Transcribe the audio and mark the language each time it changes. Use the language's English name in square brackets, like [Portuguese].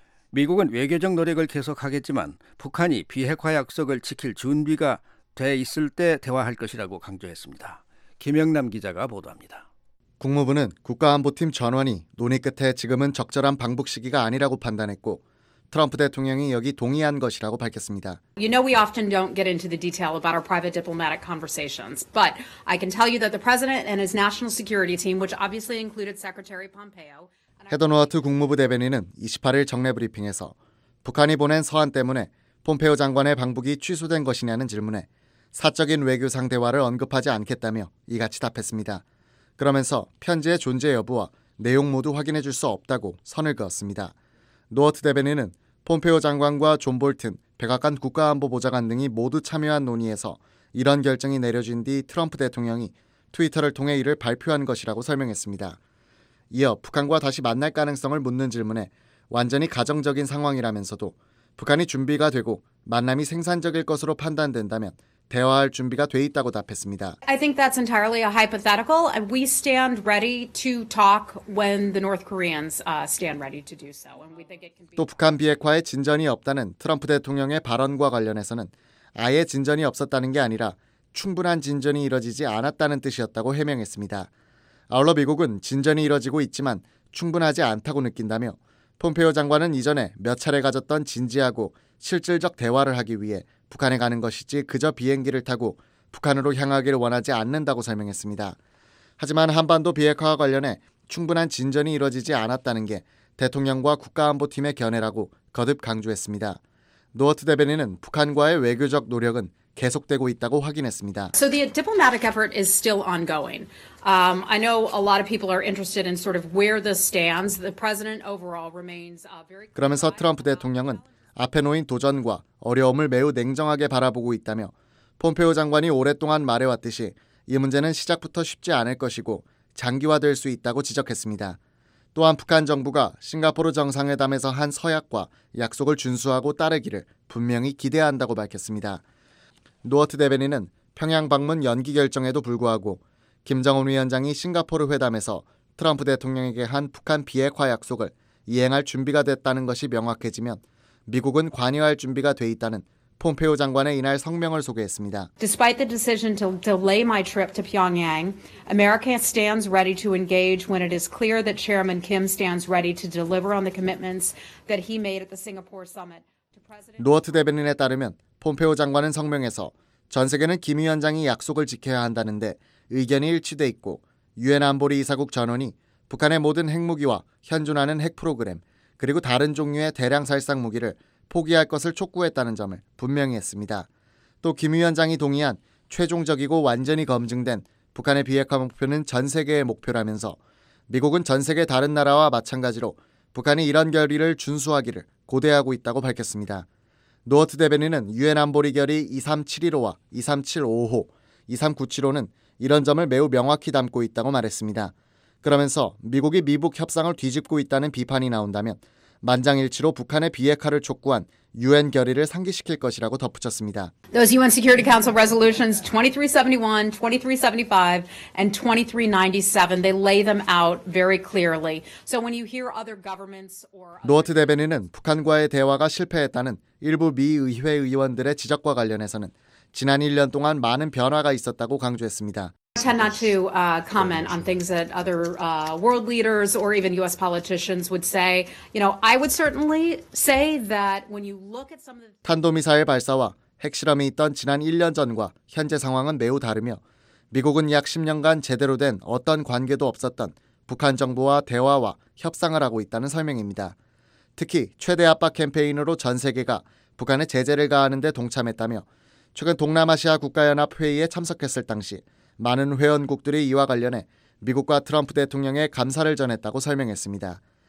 [Korean] 미국은 외교적 노력을 계속하겠지만 북한이 비핵화 약속을 지킬 준비가 돼 있을 때 대화할 것이라고 강조했습니다. 김영남 기자가 보도합니다. 국무부는 국가안보팀 전원이 논의 끝에 지금은 적절한 방북 시기가 아니라고 판단했고 트럼프 대통령이 여기 동의한 것이라고 밝혔습니다. [English] You know we often don't get into the detail about our private diplomatic conversations, but I can tell you that the president and his national security team, which obviously included Secretary Pompeo, [Korean] 헤더 노아트 국무부 대변인은 28일 정례 브리핑에서 북한이 보낸 서한 때문에 폼페오 장관의 방북이 취소된 것이냐는 질문에 사적인 외교상 대화를 언급하지 않겠다며 이같이 답했습니다. 그러면서 편지의 존재 여부와 내용 모두 확인해 줄 수 없다고 선을 그었습니다. 노어트 대변인은 폼페오 장관과 존 볼튼, 백악관 국가안보보좌관 등이 모두 참여한 논의에서 이런 결정이 내려진 뒤 트럼프 대통령이 트위터를 통해 이를 발표한 것이라고 설명했습니다. 이어 북한과 다시 만날 가능성을 묻는 질문에 완전히 가정적인 상황이라면서도 북한이 준비가 되고 만남이 생산적일 것으로 판단된다면 대화할 준비가 돼 있다고 답했습니다. [English] I think that's entirely a hypothetical. We stand ready to talk when the North Koreans stand ready to do so. And we think it can be. [Korean] 또 북한 비핵화에 진전이 없다는 트럼프 대통령의 발언과 관련해서는 아예 진전이 없었다는 게 아니라 충분한 진전이 이뤄지지 않았다는 뜻이었다고 해명했습니다. 아울러 미국은 진전이 이뤄지고 있지만 충분하지 않다고 느낀다며 폼페오 장관은 이전에 몇 차례 가졌던 진지하고 실질적 대화를 하기 위해 북한에 가는 것이지 그저 비행기를 타고 북한으로 향하기를 원하지 않는다고 설명했습니다. 하지만 한반도 비핵화와 관련해 충분한 진전이 이뤄지지 않았다는 게 대통령과 국가안보팀의 견해라고 거듭 강조했습니다. 노어트 대변인은 북한과의 외교적 노력은 계속되고 있다고 확인했습니다. [English] So the diplomatic effort is still ongoing. I know a lot of people are interested in sort of where this stands. The president overall remains very. [Korean] 그러면서 트럼프 대통령은 앞에 놓인 도전과 어려움을 매우 냉정하게 바라보고 있다며 폼페오 장관이 오랫동안 말해왔듯이 이 문제는 시작부터 쉽지 않을 것이고 장기화될 수 있다고 지적했습니다. 또한 북한 정부가 싱가포르 정상회담에서 한 서약과 약속을 준수하고 따르기를 분명히 기대한다고 밝혔습니다. 노어트 대변인은 평양 방문 연기 결정에도 불구하고 김정은 위원장이 싱가포르 회담에서 트럼프 대통령에게 한 북한 비핵화 약속을 이행할 준비가 됐다는 것이 명확해지면 미국은 관여할 준비가 돼 있다는 폼페이오 장관의 이날 성명을 소개했습니다. [English] Despite the decision to delay my trip to Pyongyang, America stands ready to engage when it is clear that Chairman Kim stands ready to deliver on the commitments that he made at the Singapore summit. [Korean] 노어트 대변인에 따르면 폼페이오 장관은 성명에서 전 세계는 김 위원장이 약속을 지켜야 한다는데 의견이 일치돼 있고 유엔 안보리 이사국 전원이 북한의 모든 핵무기와 현존하는 핵 프로그램 그리고 다른 종류의 대량 살상 무기를 포기할 것을 촉구했다는 점을 분명히 했습니다. 또 김 위원장이 동의한 최종적이고 완전히 검증된 북한의 비핵화 목표는 전 세계의 목표라면서 미국은 전 세계 다른 나라와 마찬가지로 북한이 이런 결의를 준수하기를 고대하고 있다고 밝혔습니다. 노어트 대변인은 유엔 안보리 결의 2371호와 2375호, 2397호는 이런 점을 매우 명확히 담고 있다고 말했습니다. 그러면서 미국이 미북 협상을 뒤집고 있다는 비판이 나온다면 만장일치로 북한의 비핵화를 촉구한 유엔 결의를 상기시킬 것이라고 덧붙였습니다. [English] Those UN Security Council resolutions 2371, 2375 and 2397, they lay them out very clearly. So when you hear other governments or [Korean] 노어트 대변인은 북한과의 대화가 실패했다는 일부 미 의회 의원들의 지적과 관련해서는 지난 1년 동안 많은 변화가 있었다고 강조했습니다. [English] I tend not to comment on things that other world leaders or even U.S. politicians would say. You know, I would certainly say that when you look at some of the [Korean] 탄도미사일 발사와 핵실험이 있던 지난 1년 전과 현재 상황은 매우 다르며 미국은 약 10년간 제대로 된 어떤 관계도 없었던 북한 정부와 대화와 협상을 하고 있다는 설명입니다. 특히 최대 압박 캠페인으로 전 세계가 북한의 제재를 가하는 데 동참했다며 최근 동남아시아 국가연합 회의에 참석했을 당시 많은 회원국들이 이와 관련해 미국과 트럼프 대통령의 감사를 전했다고 설명했습니다.